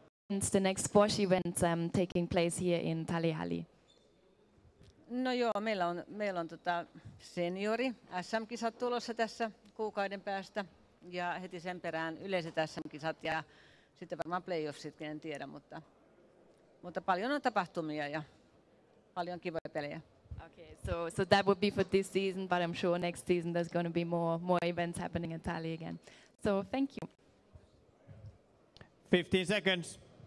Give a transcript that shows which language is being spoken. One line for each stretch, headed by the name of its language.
English: It's the next squash event taking place here in Talihalli.
Finnish: No joo, meillä on seniori SM-kisat tulossa tässä kuukauden päästä ja heti sen perään yleiset SM-kisat ja sitten varmaan playoffsitkin en tiedä, mutta paljon on tapahtumia ja paljon kivoja pelejä.
English: Okay, so that would be for this season, but I'm sure next season there's going to be more events happening in Tali again. So thank you. 15 seconds.